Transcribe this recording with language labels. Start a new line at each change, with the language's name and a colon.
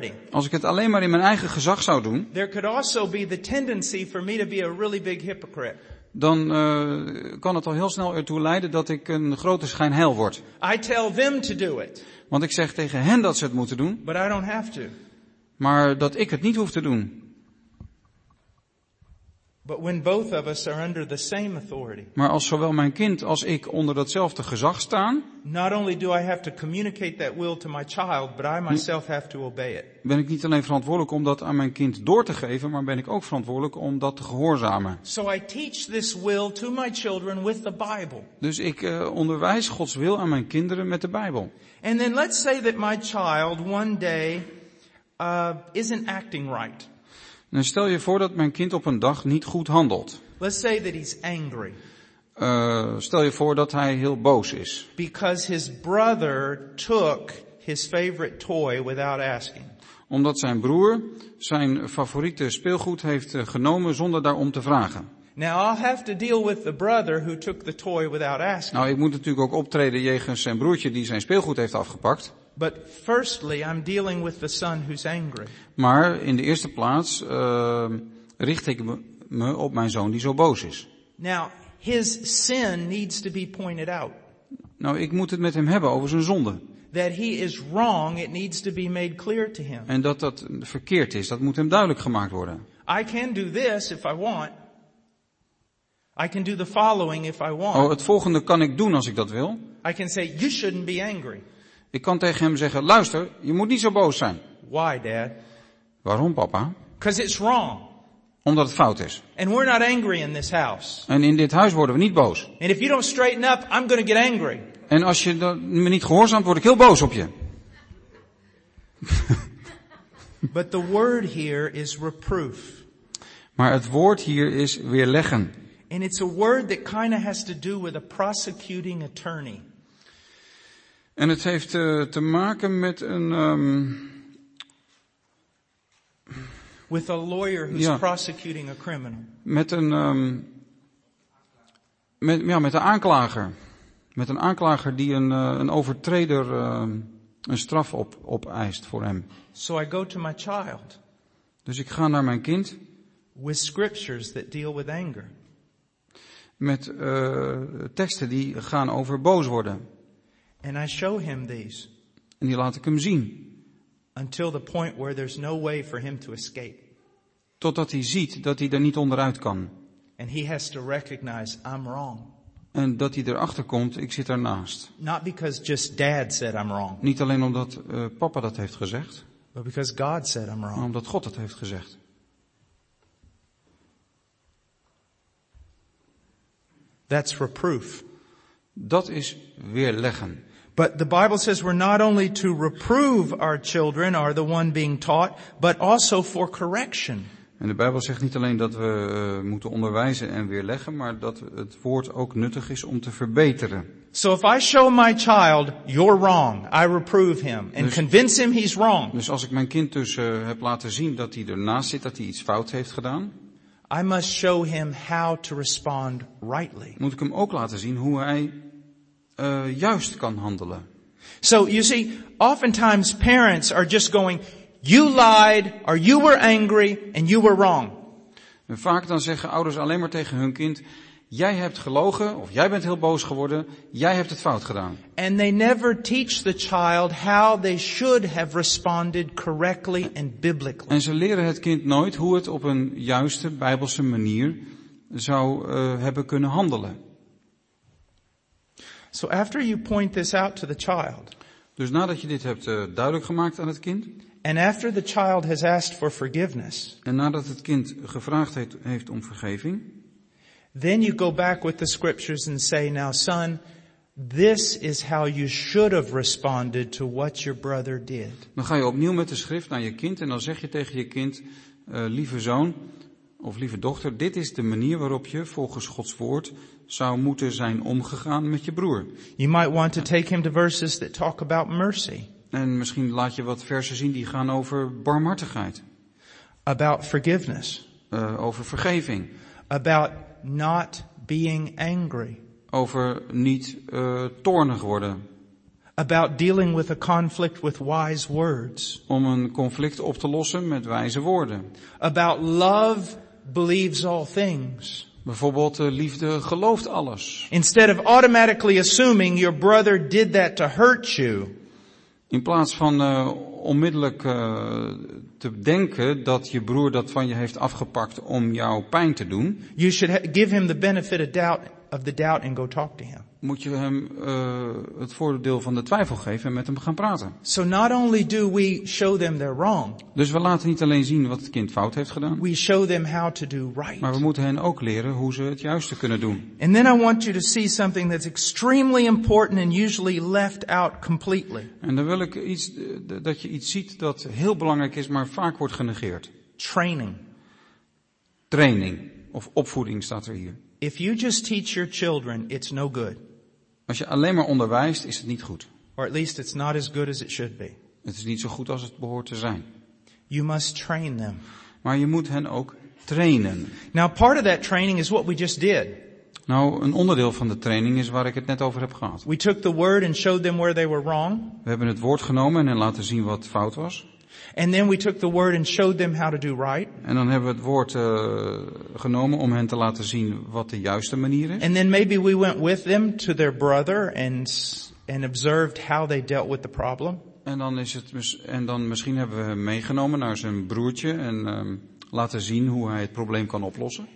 Dutch: Als ik het alleen maar in mijn eigen gezag zou doen.
English: There could also be the tendency for me to be a really big hypocrite.
Dutch: Dan kan het al heel snel ertoe leiden dat ik een grote schijnheil word.
English: I tell them to do it.
Dutch: Want ik zeg tegen hen dat ze het moeten doen.
English: But I don't have to.
Dutch: Maar dat ik het niet hoef te doen.
English: But when both of us are under the same authority.
Dutch: Maar als zowel mijn kind als ik onder datzelfde gezag staan.
English: Not only do I have to communicate that will to my child, but I myself have to obey it.
Dutch: Ben ik niet alleen verantwoordelijk om dat aan mijn kind door te geven, maar ben ik ook verantwoordelijk om dat te gehoorzamen.
English: So I teach this will to my children with the Bible.
Dutch: Dus ik onderwijs Gods wil aan mijn kinderen met de Bijbel.
English: And then let's say that my child one day isn't acting right.
Dutch: Dan stel je voor dat mijn kind op een dag niet goed handelt.
English: Let's say that he's angry.
Dutch: Stel je voor dat hij heel boos is.
English: Because his brother took his favorite toy without asking.
Dutch: Omdat zijn broer zijn favoriete speelgoed heeft genomen zonder daarom te vragen.
English: Now I'll have to deal with the brother who took the toy without asking.
Dutch: Nou, ik moet natuurlijk ook optreden jegens zijn broertje die zijn speelgoed heeft afgepakt.
English: But firstly, I'm dealing with the son who's angry.
Dutch: Maar in de eerste plaats richt ik me op mijn zoon die zo boos is.
English: Now his sin needs to be pointed out.
Dutch: Nou, ik moet het met hem hebben over zijn zonde.
English: That he is wrong, it needs to be made clear to him.
Dutch: En dat dat verkeerd is, dat moet hem duidelijk gemaakt worden.
English: I can do this if I want. I can do the following if I want.
Dutch: Oh, het volgende kan ik doen als ik dat wil.
English: I can say you shouldn't be angry.
Dutch: Ik kan tegen hem zeggen, luister, je moet niet zo boos zijn.
English: Why, Dad?
Dutch: Waarom, papa?
English: 'Cause it's wrong.
Dutch: Omdat het fout is.
English: And we're not angry in this house.
Dutch: En in dit huis worden we niet boos.
English: And if you don't straighten up, I'm gonna get angry.
Dutch: En als je me niet gehoorzaamt, word ik heel boos op je.
English: But the word here is reproof.
Dutch: Maar het woord hier is weerleggen.
English: And it's a word that kind of has to do with a prosecuting attorney.
Dutch: En het heeft te maken met een
English: with a lawyer who's prosecuting a criminal.
Dutch: Met een met de aanklager. Met een aanklager die een overtreder een straf opeist voor hem.
English: So I go to my child.
Dutch: Dus ik ga naar mijn kind.
English: with scriptures that deal with anger.
Dutch: Met teksten die gaan over boos worden.
English: And I show him these.
Dutch: En die laat ik hem zien.
English: Until the point where there's no way for him to escape.
Dutch: Totdat hij ziet dat hij er niet onderuit kan.
English: And he has to recognize I'm wrong.
Dutch: En dat hij erachter komt, ik zit ernaast.
English: Not because just dad said I'm wrong.
Dutch: Niet alleen omdat papa dat heeft gezegd.
English: But because God said I'm wrong.
Dutch: Maar omdat God dat heeft gezegd.
English: That's reproof.
Dutch: Dat is weerleggen.
English: But the Bible says we're not only to reprove our children or the one being taught, but also for correction.
Dutch: En de Bijbel zegt niet alleen dat we moeten onderwijzen en weerleggen, maar dat het woord ook nuttig is om te verbeteren.
English: So if I show my child you're wrong, I reprove him and convince him he's wrong.
Dutch: Dus als ik mijn kind dus heb laten zien dat hij ernaast zit, dat hij iets fout heeft gedaan.
English: I must show him how to respond rightly.
Dutch: Moet ik hem ook laten zien hoe hij juist kan handelen.
English: So you see, oftentimes parents are just going, you lied, or you were angry, and you were wrong.
Dutch: En vaak dan zeggen ouders alleen maar tegen hun kind, jij hebt gelogen, of jij bent heel boos geworden, jij hebt het fout gedaan.
English: And they never teach the child how they should have responded correctly and biblically.
Dutch: En ze leren het kind nooit hoe het op een juiste bijbelse manier zou hebben kunnen handelen.
English: So after you point this out to the child.
Dutch: Dus nadat je dit hebt duidelijk gemaakt aan het kind.
English: And after the child has asked for forgiveness.
Dutch: En nadat het kind gevraagd heeft om vergeving.
English: Then you go back with the scriptures and say, now son, this is how you should have responded to what your brother did.
Dutch: Dan ga je opnieuw met de schrift naar je kind en dan zeg je tegen je kind, lieve zoon of lieve dochter, dit is de manier waarop je volgens Gods woord zou moeten zijn omgegaan met je broer.
English: You might want to take him to verses that talk about mercy.
Dutch: En misschien laat je wat versen zien die gaan over barmhartigheid.
English: About forgiveness.
Dutch: Over vergeving.
English: About not being angry.
Dutch: Over niet toornig worden.
English: About dealing with a conflict with wise words.
Dutch: Om een conflict op te lossen met wijze woorden.
English: About love believes all things.
Dutch: Bijvoorbeeld liefde gelooft alles.
English: Instead of automatically assuming your brother did that to hurt you.
Dutch: In plaats van onmiddellijk te denken dat je broer dat van je heeft afgepakt om jou pijn te doen.
English: You should give him the benefit of doubt and go talk to him.
Dutch: Moet je hem het voordeel van de twijfel geven en met hem gaan praten.
English: So not only do we show them they're wrong.
Dutch: Dus we laten niet alleen zien wat het kind fout heeft gedaan.
English: We show them how to do right.
Dutch: Maar we moeten hen ook leren hoe ze het juiste kunnen doen.
English: And then I want you to see something that's extremely important and usually left out completely.
Dutch: En dan wil ik iets dat je iets ziet dat heel belangrijk is maar vaak wordt genegeerd.
English: Training.
Dutch: Training of opvoeding staat er hier.
English: If you just teach your children, it's no good.
Dutch: Als je alleen maar onderwijst, is het niet goed.
English: Or at least it's not as good as it should be.
Dutch: Het is niet zo goed als het behoort te zijn.
English: You must train them.
Dutch: Maar je moet hen ook trainen.
English: Now part of that training is what we just did.
Dutch: Nou, een onderdeel van de training is waar ik het net over heb gehad.
English: We took the word and showed them where they were wrong.
Dutch: We hebben het woord genomen en laten zien wat fout was.
English: And then we took the word and showed them how to do right.
Dutch: En dan hebben we het woord genomen om hen te laten zien wat de juiste manier is.
English: And then maybe we went with them to their brother and observed how they dealt with the problem.
Dutch: En dan misschien hebben we hem meegenomen naar zijn broertje en laten zien hoe hij het probleem kan oplossen.